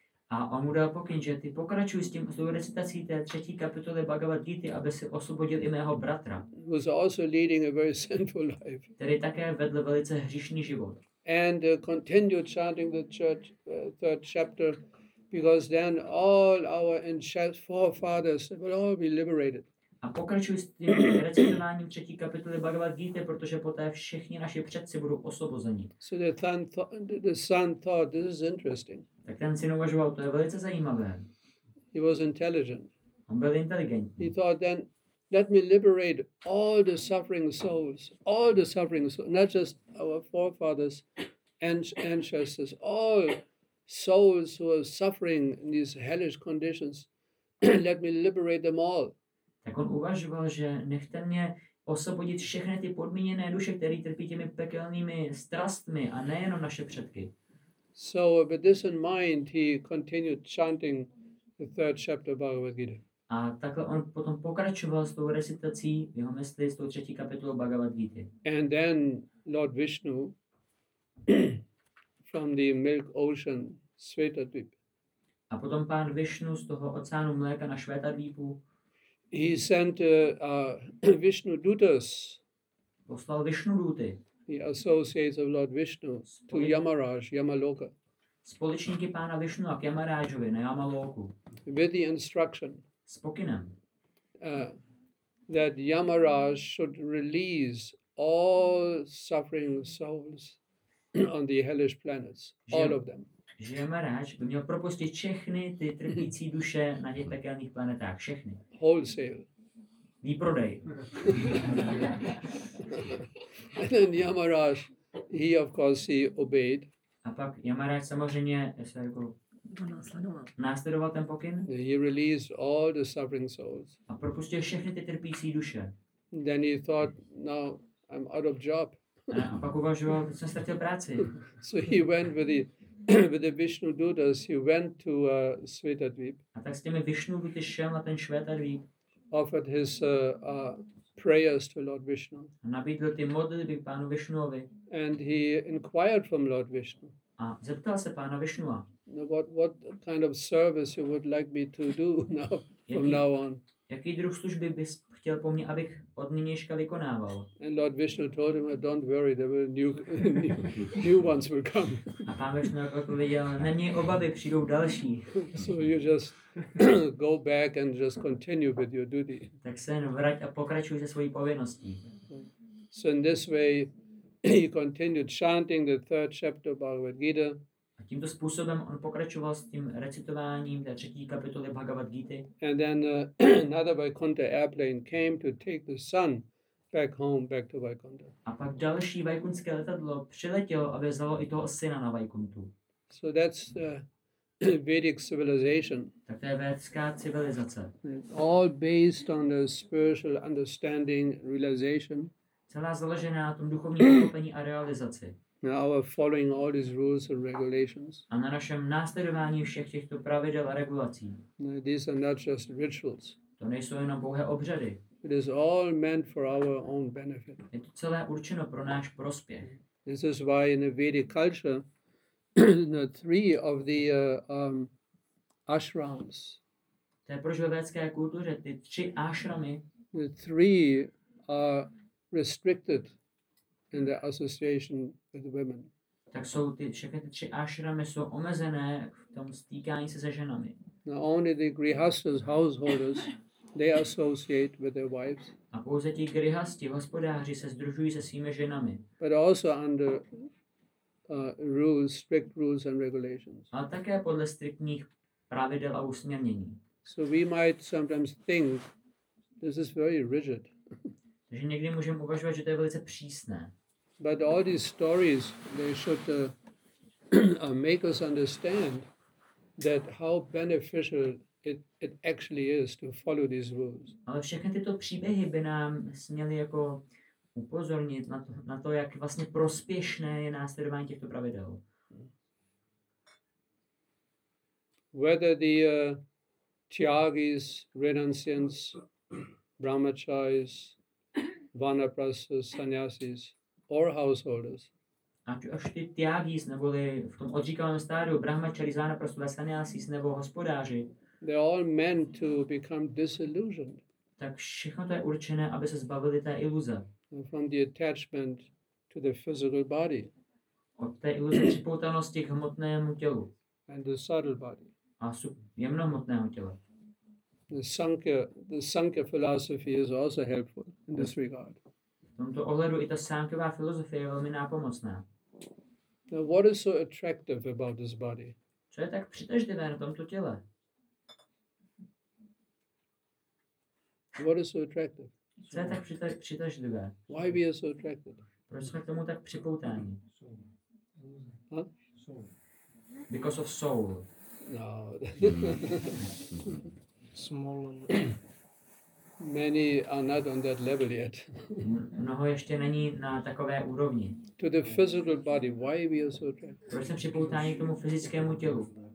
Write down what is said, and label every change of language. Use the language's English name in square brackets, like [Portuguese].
[Czech] A on mu dal pokyn, že ty pokračuj s tím s recitací té třetí kapitoly Bhagavad Gita, aby si osvobodil i mého bratra. [English] He was also leading a very sinful life. [Czech] Který také vedl velice hříšný život. [English] And continued chanting the third chapter, because then all our forefathers will all be liberated. [Czech] A pokračuj s tím recitováním třetí kapitoly Bhagavad Gita, protože poté všichni naši předci budou osvobozeni. [English] So the son thought, this is interesting. [Czech] Tak ten syn uvažoval, to je velice zajímavé. [English] He was intelligent. [Czech] On byl inteligentní. [English] He thought then, let me liberate all the suffering souls, not just our forefathers and ancestors, all souls who are suffering in these hellish conditions, let me liberate them all. [Czech] Tak on uvažoval, že nechte mě osvobodit všechny ty podmíněné duše, které trpí těmi pekelnými strastmi a nejenom naše předky. [English] So with this in mind, he continued chanting the third chapter of Bhagavad Gita. [Czech] A takhle on potom pokračoval s tou recitací, jeho mysli s tou třetí kapitolou Bhagavad Gita. [English] And then Lord Vishnu from the milk ocean, Svetadvip. [Czech] A potom pán Vishnu z toho oceánu mléka na Švetadvipu. [English] He sent Vishnu dutas. [Czech] Poslal Vishnu duty. [English] The associates of Lord Vishnu to Yamaraj, Yamaloka. [Czech] Společníky pána Vishnu a k Yamarajovi na Yamaloku. [English] With the instruction. [Czech] S pokynem. [English] That Yamaraj should release all suffering souls on the hellish planets, all of them. [Czech] Že Yamaraj by měl propustit všechny ty trpící duše na těch pekelných planetách, všechny. [English] Wholesale. [Czech] Výprodej. [English] And then Yamaraj, he of course he obeyed. [Czech] A pak Yamaraj samozřejmě se jako následoval ten pokyn. [English] He released all the suffering souls. [Czech] A propustil všechny ty trpící duše. [English] Then he thought, now I'm out of job. [Czech] A pak uvažoval, že jsem ztratil práci. [English] So he went with the Vishnu dutas, he went to Svetadvip. [Czech] A tak s těmi Vishnu duty šel na ten Švetadvip. [English] Offered his prayers to Lord Vishnu. [Czech] Nabídl ty modlitby pánu Vishnuovi. [English] And he inquired from Lord Vishnu. [Czech] A zeptal se pána Vishnua. [English] What kind of service you would like me to do now, from now on? [Czech] Jaký druh služby bys chtěl po mně, abych od nynějška vykonával? [English] And Lord Vishnu told him, don't worry, there will new ones will come. [Czech] A pán Vishnu odpověděl, neměj obavy, přijdou další. [English] So you just go back and just continue with your duty. [Czech] Tak se jen vrať a pokračuj se svojí povinností. [English] So in this way, he continued chanting the third chapter of Bhagavad Gita. [Czech] A tímto způsobem on pokračoval s tím recitováním té třetí kapitoly Bhagavad Gita. [English] And then another Vaikuntha airplane came to take the sun back home, back to Vaikuntha. [Czech] A pak další vaikunské letadlo přiletělo a vezlo i toho syna na Vaikuntu. [English] So that's Vedic civilization. [Czech] Tak to je védská civilizace. [English] All based on the spiritual understanding, realization. [Czech] Celá založená na tom duchovním pochopení a realizaci. [English] Now following all these rules and regulations. [Czech] A na našem následování všech těchto pravidel a regulací. [English] These are not just rituals. [Czech] To nejsou jenom pouhé obřady. [English] It is all meant for our own benefit. [Czech] Je to celé určeno pro náš prospěch. [English] This is why in the Vedic culture, the three of the ashrams. [Czech] To je proč ve védské kultuře ty tři ashramy. [English] The three are restricted in the association with women. [Czech] Tak jsou ty všechny tři ashramy jsou omezené v tom stýkání se ženami. [English] Now only the grihasthas householders they associate with their wives. [Czech] A pouze ti grihasti hospodáři se sdružují se svými ženami. [English] But also under rules, strict rules and regulations. [Czech] A také podle striktních pravidel a usměrnění. [English] So we might sometimes think this is very rigid. [Czech] Takže někdy můžeme uvažovat, že to je velice přísné. [English] But all these stories they should make us understand that how beneficial it actually is to follow these rules. [Czech] Ale všechny tyto příběhy by nám směly jako upozornit na to, jak vlastně prospěšné je následování těchto pravidel. [English] Whether the tyagis, renunciants, brahmacharis, vanaprasas, sannyasis, or householders. [Czech] Ať už ty tyagis, neboli v tom odříkavém stádiu, brahmacharis, vanaprasas, sannyasis, nebo hospodáři. [English] They're all meant to become disillusioned. [Czech] Tak všechno to je určené, aby se zbavili té iluze. [English] From the attachment to the physical body. [Czech] Od té iluze připoutanosti k hmotnému tělu. [English] And the subtle body. [Czech] A jemnohmotnému tělu. [English] The Sankhya philosophy is also helpful in this regard. [Czech] V tomto ohledu i ta Sankhya filozofie je velmi nápomocná. [English] Now what is so attractive about this body? [Czech] Co je tak přitažlivé na tomto těle? [English] What is so attractive? [Czech] Co je tak přitažlivé? [English] Why we are so attracted? [Czech] Proč jsme k tomu tak připoutáni? [English] Huh? Soul. Because of soul. No. Small. Many are not on that level yet. [Czech] Mnoho ještě není na takové úrovni. [English] To the physical body, why we are so attracted? [Czech] Proč jsme připoutáni k tomu fyzickému tělu?